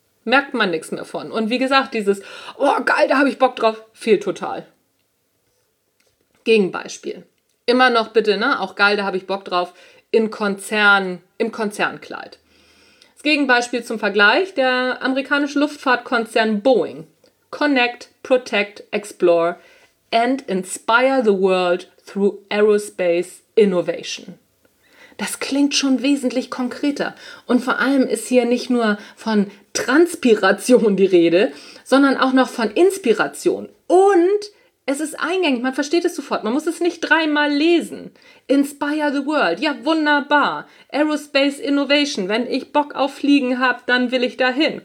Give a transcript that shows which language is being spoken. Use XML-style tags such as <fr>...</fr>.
<de>Merkt man nichts mehr von. Und wie gesagt, dieses, oh geil, da habe ich Bock drauf, fehlt total. Gegenbeispiel. Immer noch bitte, ne? Auch geil, da habe ich Bock drauf, im Konzernkleid. Das Gegenbeispiel zum Vergleich, der amerikanische Luftfahrtkonzern Boeing.</de> <en>Connect, Protect, Explore, and inspire the world through aerospace innovation.</en> <de>Das klingt schon wesentlich konkreter. Und vor allem ist hier nicht nur von Transpiration die Rede, sondern auch noch von Inspiration. Und es ist eingängig, man versteht es sofort, man muss es nicht dreimal lesen.</de> <en>Inspire the world,</en> <de>ja wunderbar. Aerospace Innovation, wenn ich Bock auf Fliegen habe, dann will ich dahin.</de>